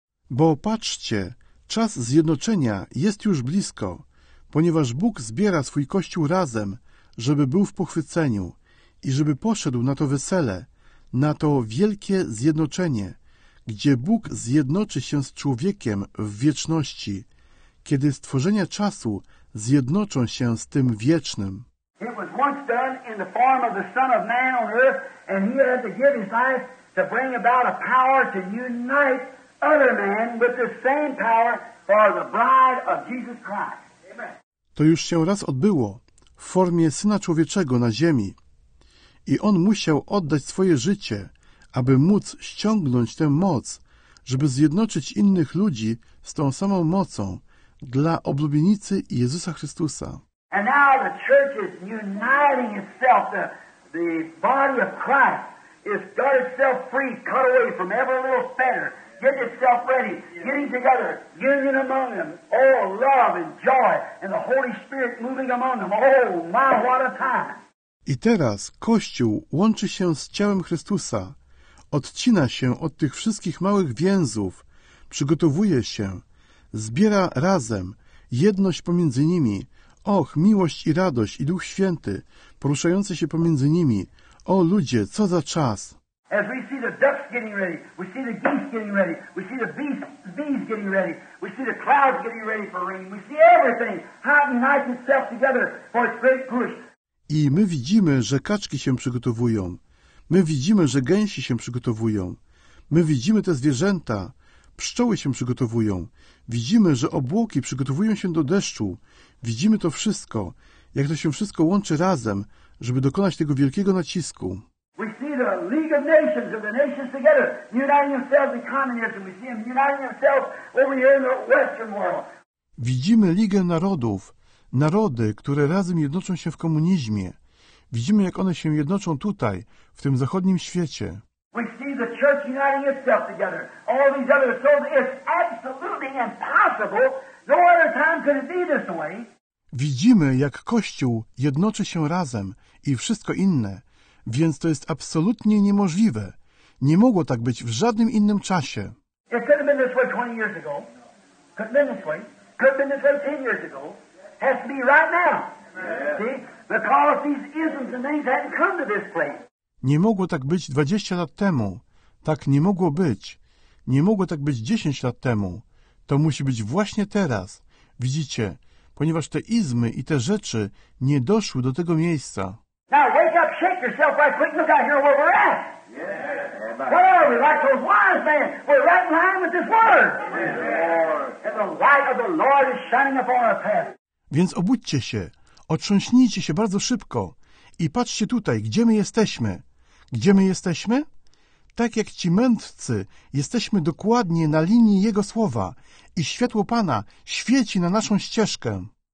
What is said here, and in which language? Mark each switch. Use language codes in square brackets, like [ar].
[pl] Bo patrzcie, czas zjednoczenia jest już blisko, ponieważ Bóg zbiera swój Kościół razem, żeby był w pochwyceniu i żeby poszedł na to wesele, na to wielkie zjednoczenie, gdzie Bóg zjednoczy się z człowiekiem w wieczności, kiedy stworzenia czasu zjednoczą się z tym wiecznym. [en] It was once done in the form of the Son of Man on earth, and he had to give his life to bring about a power to unite other men with the same power for the bride of Jesus Christ. Amen. [pl] To już się raz odbyło w formie Syna Człowieczego na ziemi. I on musiał oddać swoje życie, aby móc ściągnąć tę moc, żeby zjednoczyć innych ludzi z tą samą mocą dla oblubienicy Jezusa Chrystusa. [en] And now the church is uniting itself, the body of Christ is got itself free, cut away from every little fetter, get itself ready, getting together, union among them, oh, love and joy, and the Holy Spirit moving among them, oh, my, what a time. [pl] I teraz Kościół łączy się z ciałem Chrystusa, odcina się od tych wszystkich małych więzów, przygotowuje się, zbiera razem jedność pomiędzy nimi. Och, miłość i radość i Duch Święty poruszający się pomiędzy nimi. O ludzie, co za czas! [en] As we see the ducks getting ready, we see the geese getting ready, we see the bees getting ready, we see the clouds getting ready for rain, we see everything, how it unites itself together for its great push. [pl] I my widzimy, że kaczki się przygotowują. My widzimy, że gęsi się przygotowują. My widzimy te zwierzęta. Pszczoły się przygotowują. Widzimy, że obłoki przygotowują się do deszczu. Widzimy to wszystko, jak to się wszystko łączy razem, żeby dokonać tego wielkiego nacisku. [en] We see the League of Nations of the nations together, uniting themselves in communism. We see them uniting themselves over here in the Western world. [pl] Widzimy Ligę Narodów, narody, które razem jednoczą się w komunizmie. Widzimy, jak one się jednoczą tutaj, w tym zachodnim świecie. [en] We see the church uniting itself together. All these other souls, it's absolutely impossible. No other time could it be this way. [pl] Widzimy, jak Kościół jednoczy się razem i wszystko inne, więc to jest absolutnie niemożliwe. Nie mogło tak być w żadnym innym czasie. [en] It could have been this way 20 years ago. Could have been this way. Could have been this way 10 years ago. Has to be right now. Yeah. See? Because these isms and things hadn't come to this place. [pl] Nie mogło tak być 20 lat temu. Tak nie mogło być. Nie mogło tak być 10 lat temu. To musi być właśnie teraz. Widzicie, ponieważ te izmy i te rzeczy nie doszły do tego miejsca. [en] Now wake up, shake yourself right quick, look out here where we're at. Where are we? Like those wise men. We're right in line with this word. And the light of the Lord is shining upon our path. [pl] Więc obudźcie się, otrząśnijcie się bardzo szybko i patrzcie tutaj, gdzie my jesteśmy. Gdzie my jesteśmy? Tak jak ci mędrcy, jesteśmy dokładnie na linii Jego słowa i światło Pana świeci na naszą ścieżkę.